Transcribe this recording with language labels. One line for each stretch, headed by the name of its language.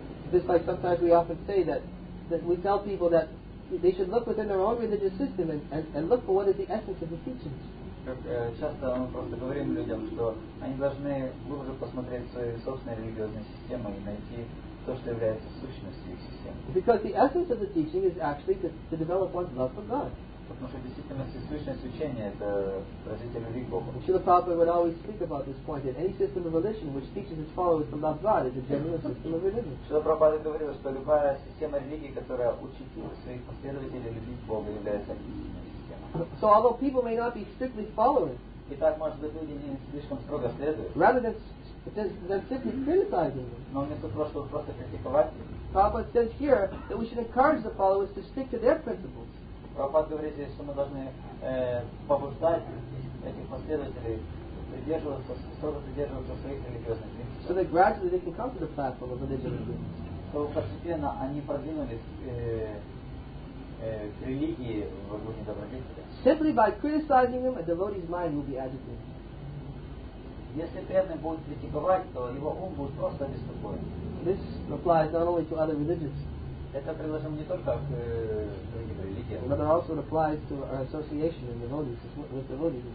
English: This is like sometimes we often say that we tell people that they should look within their own religious system and look for what is the essence of the teachings.
Russian: Часто мы просто говорим людям, что они должны глубже посмотреть в свои собственные религиозные системы и найти то, что является сущностью их системы.
English: Because the essence of the teaching is actually to develop one's love for God.
Russian: Потому что действительно сущность учения – это развитие любви к Богу.
English: Srila Prabhupada would always speak about this point that any system of religion which teaches its followers to love God is a genuine system of religion.
Russian: Srila Prabhupada говорил, что любая система религии, которая учит своих последователей любить Бога, является истинной системой.
English: So although people may not be strictly following,
Russian: и так, может быть, люди не слишком строго следуют,
English: rather than simply criticizing them,
Russian: но вместо того, чтобы просто критиковать их,
English: Prabhupada says here that we should encourage the followers to stick to their principles.
Russian: Прабхупада говорит здесь, что мы должны побуждать этих последователей строго придерживаться своих религиозных принципов.
English: So that gradually they can come to the platform of religion.
Russian: So постепенно они продвинулись к религии в гуне добродетели.
English: Simply by criticizing them, a devotee's mind will be agitated.
Russian: Если преданный будет критиковать, то его ум будет просто беспокоен.
English: This applies not only to other religions.
Russian: Это приложим не только к религиям.
English: But it also applies to our association with devotees as well.